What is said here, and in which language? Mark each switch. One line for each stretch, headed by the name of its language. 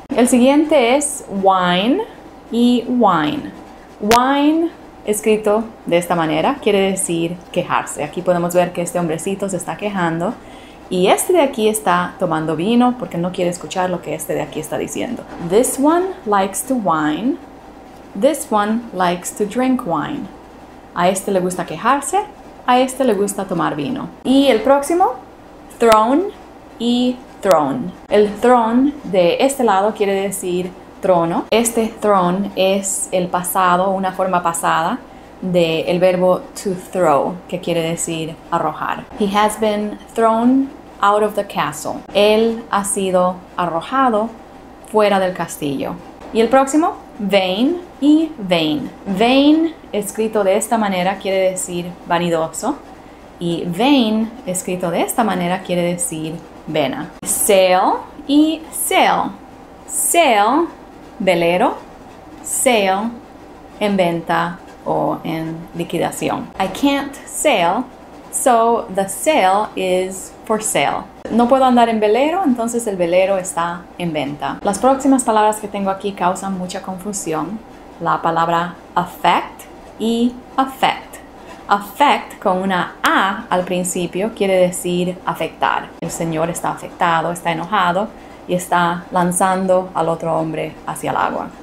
Spanish: El siguiente es wine y wine. Wine, escrito de esta manera, quiere decir quejarse. Aquí podemos ver que este hombrecito se está quejando. Y este de aquí está tomando vino porque no quiere escuchar lo que este de aquí está diciendo.
English: This one likes to wine. This one likes to drink wine.
Spanish: A este le gusta quejarse, a este le gusta tomar vino. Y el próximo, throne y throne. El throne de este lado quiere decir trono. Este throne es el pasado, una forma pasada del verbo to throw, que quiere decir arrojar.
English: He has been thrown out of the castle.
Spanish: Él ha sido arrojado fuera del castillo. Y el próximo, vain y vain. Vain, escrito de esta manera, quiere decir vanidoso. Y vain, escrito de esta manera, quiere decir vena. Sail y sail. Sail, velero. Sail, en venta o en liquidación.
English: I can't sail, so the sail is for sale.
Spanish: No puedo andar en velero, entonces el velero está en venta. Las próximas palabras que tengo aquí causan mucha confusión. La palabra affect y affect. Affect con una A al principio quiere decir afectar. El señor está afectado, está enojado y está lanzando al otro hombre hacia el agua.